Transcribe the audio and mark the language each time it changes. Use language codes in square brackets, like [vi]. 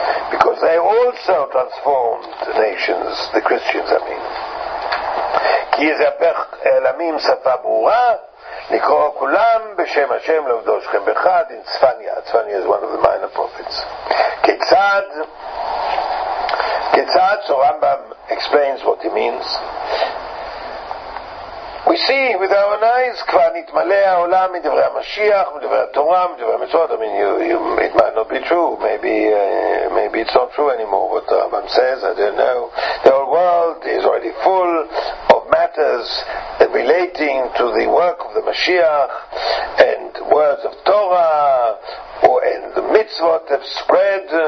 [en] Because they also transformed the nations, the Christians, I mean. [he] כי זה הפך אלמים שפה ברורה, לקרוא כולם בשם השם לעובדו שכם באחד, in צפניה. [en] צפניה is one of the minor prophets. [he] כיצד, [en] so Rambam explains what he means, We see with our own eyes, [he] כבר נתמלא העולם מדברי המשיח, מדברי התורה, מדברי המצוות. [en] I mean, it might not be true. Maybe it's not true anymore, what the Rambam says, I don't know. The whole world is already full of matters relating to the work of the Mashiach and words of Torah, and the mitzvot have spread.